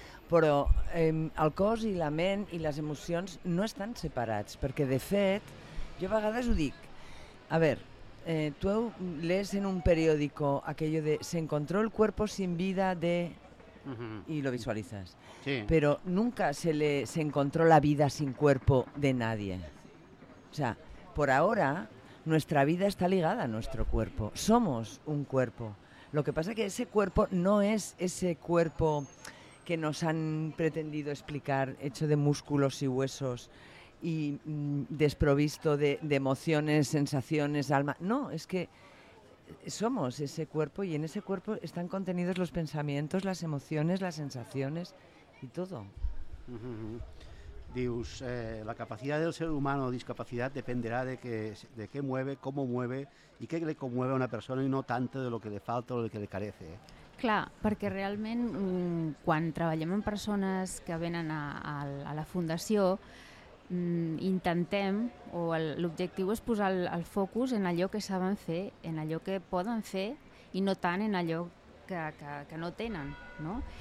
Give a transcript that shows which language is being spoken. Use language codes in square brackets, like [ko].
[ca] Però el cos i la ment i les emocions no estan separats, perquè de fet, jo a vegades ho dic, a veure, tu [es] lees en un periódico aquello de se encontró el cuerpo sin vida de... Uh-huh. Y lo visualizas. Sí. Pero nunca se encontró la vida sin cuerpo de nadie. O sea, por ahora nuestra vida está ligada a nuestro cuerpo. Somos un cuerpo. Lo que pasa es que ese cuerpo no es ese cuerpo que nos han pretendido explicar, hecho de músculos y huesos y desprovisto de emociones, sensaciones, alma. No, es que somos ese cuerpo y en ese cuerpo están contenidos los pensamientos, las emociones, las sensaciones y todo. Uh-huh. [ca] Dius, [es] la capacidad del ser humano o discapacidad dependerá de qué mueve, cómo mueve y qué le conmueve a una persona y no tanto de lo que le falta o lo que le carece. [ca] Clar, perquè realment quan treballem amb persones que venen a la fundació, intentem, o l'objectiu és posar el focus en allò que saben fer, en allò que poden fer i no tant en allò que no tenen, no?